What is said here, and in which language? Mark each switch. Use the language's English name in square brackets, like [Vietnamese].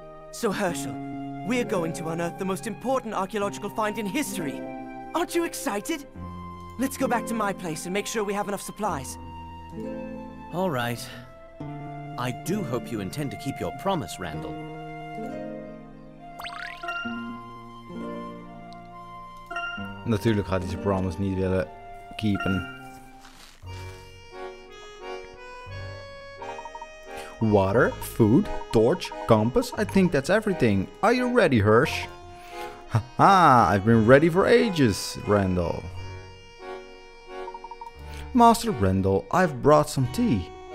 [English] So, Herschel, we're going to unearth the most important archaeological find in history. Aren't you excited? Let's go back to my place and make sure we have enough supplies. All right. I do hope you intend to keep your promise, Randall. [Dutch] Natuurlijk gaat hij zijn promise niet willen keepen. [English] Water, food, torch, compass, I think that's everything. Are you ready, Hirsch? Haha, I've been ready for ages, Randall. Master Randall, I've brought some tea.